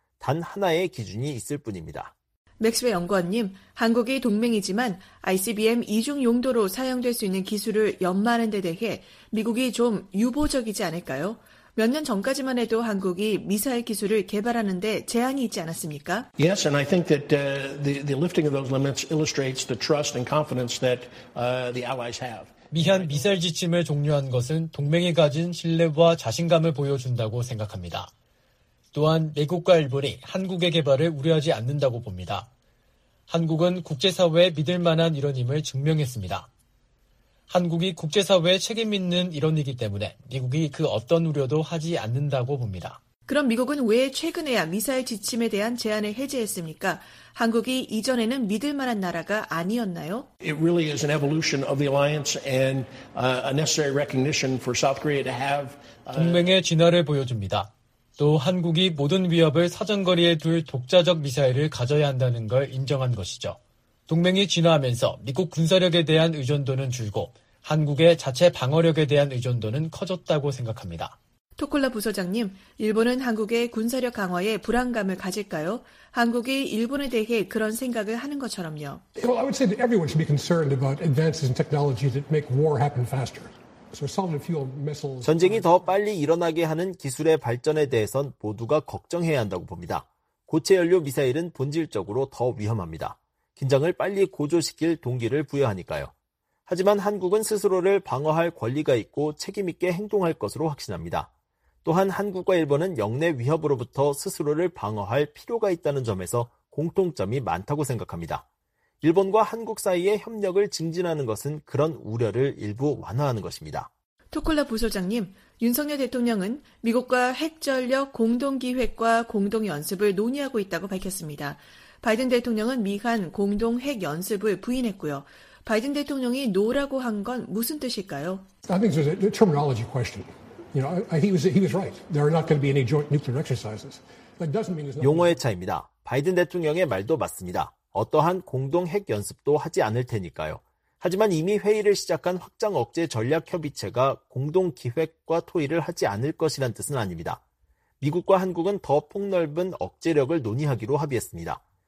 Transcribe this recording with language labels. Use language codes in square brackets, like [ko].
[ko] 단 하나의 기준이 있을 뿐입니다. 맥스웨 연구원님, 한국이 동맹이지만 ICBM 이중 용도로 사용될 수 있는 기술을 연마하는 데 대해 미국이 좀 유보적이지 않을까요? 몇 년 전까지만 해도 한국이 미사일 기술을 개발하는 데 제한이 있지 않았습니까? [en] Yes, and I think that the lifting of those limits illustrates the trust and confidence that the allies have. [ko] 미한 미사일 지침을 종료한 것은 동맹이 가진 신뢰와 자신감을 보여준다고 생각합니다. 또한 미국과 일본이 한국의 개발을 우려하지 않는다고 봅니다. 한국은 국제사회에 믿을 만한 일원임을 증명했습니다. 한국이 국제사회에 책임 있는 일원이기 때문에 미국이 그 어떤 우려도 하지 않는다고 봅니다. 그럼 미국은 왜 최근에야 미사일 지침에 대한 제안을 해제했습니까? 한국이 이전에는 믿을 만한 나라가 아니었나요? [en] It really is an evolution of the alliance and a necessary recognition for South Korea to have [ko] 동맹의 진화를 보여줍니다. 또 한국이 모든 위협을 사정거리에 둘 독자적 미사일을 가져야 한다는 걸 인정한 것이죠. 동맹이 진화하면서 미국 군사력에 대한 의존도는 줄고 한국의 자체 방어력에 대한 의존도는 커졌다고 생각합니다. 토콜라 부소장님, 일본은 한국의 군사력 강화에 불안감을 가질까요? 한국이 일본에 대해 그런 생각을 하는 것처럼요. [en] Well, I would say that everyone should be concerned about advances in technology that make war happen faster. [ko] 전쟁이 더 빨리 일어나게 하는 기술의 발전에 대해선 모두가 걱정해야 한다고 봅니다. 고체 연료 미사일은 본질적으로 더 위험합니다. 긴장을 빨리 고조시킬 동기를 부여하니까요. 하지만 한국은 스스로를 방어할 권리가 있고 책임 있게 행동할 것으로 확신합니다. 또한 한국과 일본은 역내 위협으로부터 스스로를 방어할 필요가 있다는 점에서 공통점이 많다고 생각합니다. 일본과 한국 사이의 협력을 증진하는 것은 그런 우려를 일부 완화하는 것입니다. 토콜라 부소장님, 윤석열 대통령은 미국과 핵전력 공동기획과 공동연습을 논의하고 있다고 밝혔습니다. 바이든 대통령은 미한 공동핵연습을 부인했고요. 바이든 대통령이 노라고 한 건 무슨 뜻일까요? [en] I think it's a terminology question. You know, he was right. There are not going to be any joint nuclear exercises. That doesn't mean there's no [ko] 용어의 차이입니다. 바이든 대통령의 말도 맞습니다. 어떠한 공동 핵 연습도 하지 않을 테니까요. 하지만 이미 회의를 시작한 확장 억제 전략 협의체가 공동 기획과 토의를 하지 않을 것이란 뜻은 아닙니다. 미국과 한국은 더 폭넓은 억제력을 논의하기로 합의했습니다.